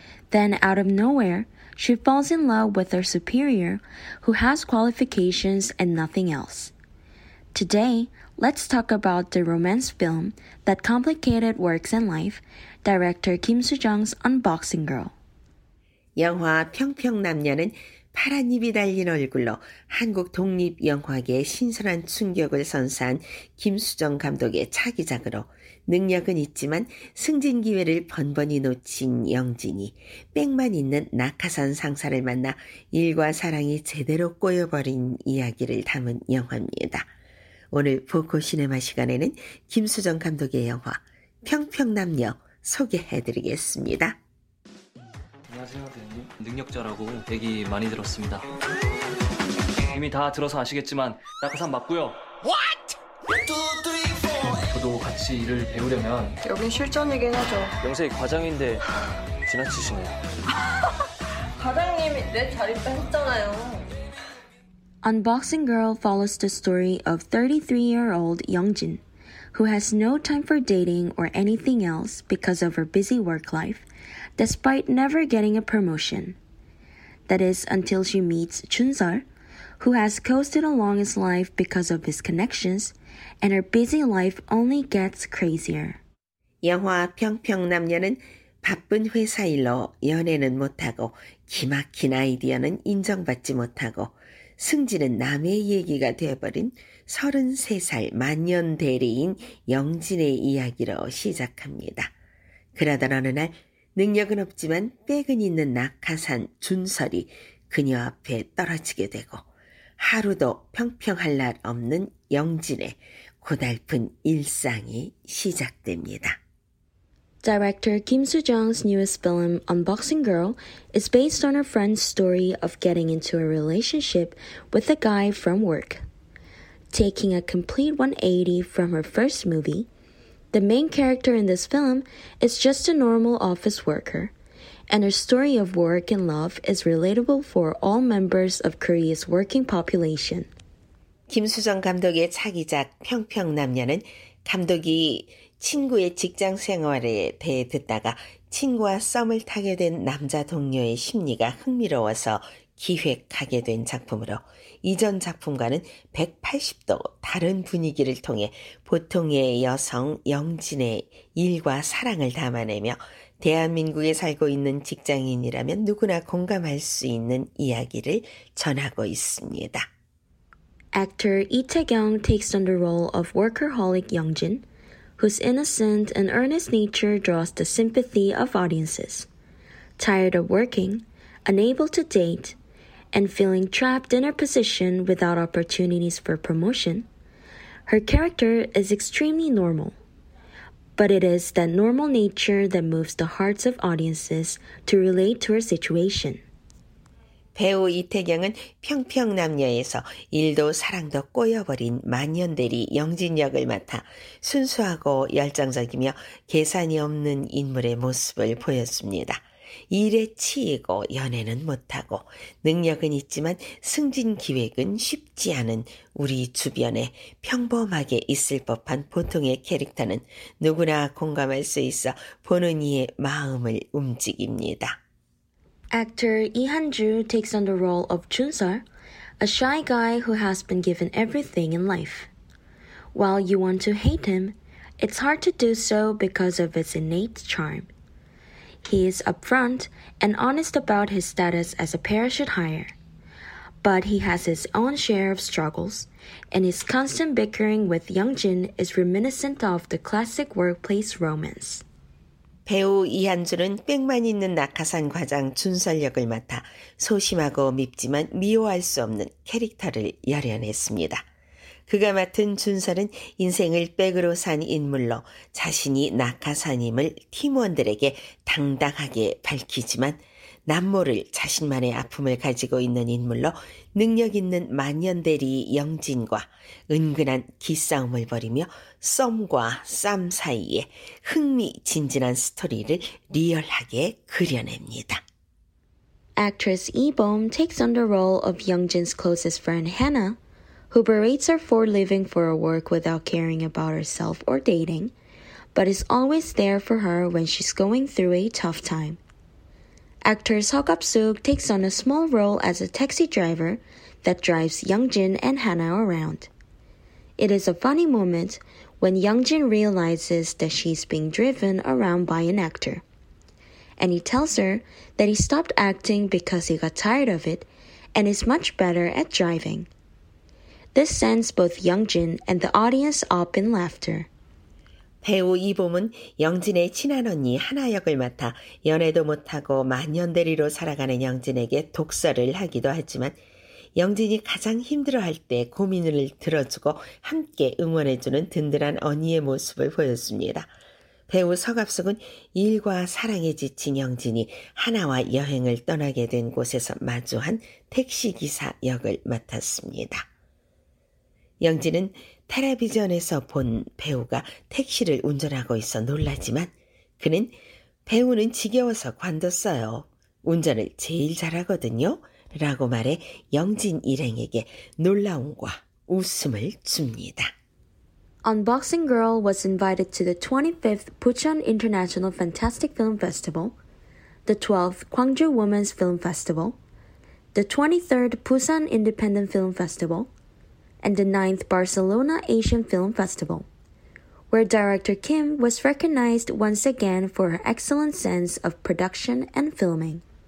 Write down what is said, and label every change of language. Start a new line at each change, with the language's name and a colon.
English: Then, out of nowhere, she falls in love with her superior, who has qualifications and nothing else. Today, let's talk about the romance film that complicated works and life, director Kim Soo-jung's Unboxing Girl.
Korean: 영화 평평남녀는 파란 입이 달린 얼굴로 한국 독립 영화계에 신선한 충격을 선사한 김수정 감독의 차기작으로 능력은 있지만 승진 기회를 번번이 놓친 영진이 백만 있는 낙하산 상사를 만나 일과 사랑이 제대로 꼬여버린 이야기를 담은 영화입니다. 오늘 보코 시네마 시간에는 김수정 감독의 영화 평평남녀 소개해드리겠습니다. 안녕하세요, 대현님. 능력자라고 얘기 많이 들었습니다. 이미 다 들어서 아시겠지만 낙하산 맞고요.
English: What?
Korean: 저도 같이 일을 배우려면 여긴 실전이긴 하죠. 영세이 과장인데 지나치시네요. 과장님이 내 자리도 했잖아요.
English: Unboxing Girl follows the story of 33-year-old Youngjin, who has no time for dating or anything else because of her busy work life, despite never getting a promotion. That is, until she meets Chun-sul, who has coasted along his life because of his connections, and her busy life only gets crazier.
Korean: 영화 평평남녀는 바쁜 회사일로 연애는 못하고 기막힌 아이디어는 인정받지 못하고 승진은 남의 얘기가 되어버린 33살 만년 대리인 영진의 이야기로 시작합니다. 그러던 어느 날 능력은 없지만 백은 있는 낙하산 준설이 그녀 앞에 떨어지게 되고 하루도 평평할 날 없는 영진의 고달픈 일상이 시작됩니다.
English: Director Kim Soo-jung's newest film, Unboxing Girl, is based on her friend's story of getting into a relationship with a guy from work. Taking a complete 180 from her first movie, the main character in this film is just a normal office worker, and her story of work and love is relatable for all members of Korea's working population.
Korean: 김수정 감독의 차기작 평평남녀는 감독이 친구의 직장 생활에 대해 듣다가 친구와 썸을 타게 된 남자 동료의 심리가 흥미로워서 기획하게 된 작품으로 이전 작품과는 180도 다른 분위기를 통해 보통의 여성 영진의 일과 사랑을 담아내며 대한민국에 살고 있는 직장인이라면 누구나 공감할 수 있는 이야기를 전하고 있습니다.
English: Actor Lee Tae-kyung takes on the role of workaholic Youngjin, whose innocent and earnest nature draws the sympathy of audiences. Tired of working, unable to date, and feeling trapped in her position without opportunities for promotion, her character is extremely normal. But it is that normal nature that moves the hearts of audiences to relate to her situation.
Korean: 배우 이태경은 평평남녀에서 일도 사랑도 꼬여버린 만년대리 영진 역을 맡아 순수하고 열정적이며 계산이 없는 인물의 모습을 보였습니다. 일에 치이고 연애는 못하고 능력은 있지만 승진 기획은 쉽지 않은 우리 주변에 평범하게 있을 법한 보통의 캐릭터는 누구나 공감할 수 있어 보는 이의 마음을 움직입니다.
English: Actor Lee Han-joo takes on the role of Chun-sul, a shy guy who has been given everything in life. While you want to hate him, it's hard to do so because of his innate charm. He is upfront and honest about his status as a parachute hire. But he has his own share of struggles, and his constant bickering with Youngjin is reminiscent of the classic workplace romance.
Korean: 배우 이한주는 백만 있는 낙하산 과장 준설 역을 맡아 소심하고 밉지만 미워할 수 없는 캐릭터를 열연했습니다. 그가 맡은 준설은 인생을 백으로 산 인물로 자신이 낙하산임을 팀원들에게 당당하게 밝히지만 남모를 자신만의 아픔을 가지고 있는 인물로 능력 있는 만년대리 영진과 은근한 기싸움을 벌이며 썸과 쌈 사이에 흥미진진한 스토리를 리얼하게 그려냅니다.
English: Actress Lee Bom takes on the role of Youngjin's closest friend Hannah, who berates her for living for a work without caring about herself or dating, but is always there for her when she's going through a tough time. Actor Seok Up-suk takes on a small role as a taxi driver that drives Youngjin and Hannah around. It is a funny moment when Youngjin realizes that she's being driven around by an actor. And he tells her that he stopped acting because he got tired of it and is much better at driving. This sends both Youngjin and the audience up in laughter.
Korean: 배우 이봄은 영진의 친한 언니 하나 역을 맡아 연애도 못하고 만년대리로 살아가는 영진에게 독서를 하기도 하지만 영진이 가장 힘들어할 때 고민을 들어주고 함께 응원해주는 든든한 언니의 모습을 보였습니다. 배우 서갑숙은 일과 사랑에 지친 영진이 하나와 여행을 떠나게 된 곳에서 마주한 택시기사 역을 맡았습니다. 영진은 텔레비전에서 본 배우가 택시를 운전하고 있어 놀라지만 그는 배우는 지겨워서 관뒀어요. 운전을 제일 잘하거든요. 라고 말해 영진 일행에게 놀라움과 웃음을 줍니다.
English: Unboxing Girl was invited to the 25th Pucheon International Fantastic Film Festival, the 12th Gwangju Women's Film Festival, the 23rd Busan Independent Film Festival, and the 9th Barcelona Asian Film Festival, where director Kim was recognized once again for her excellent sense of production and filming.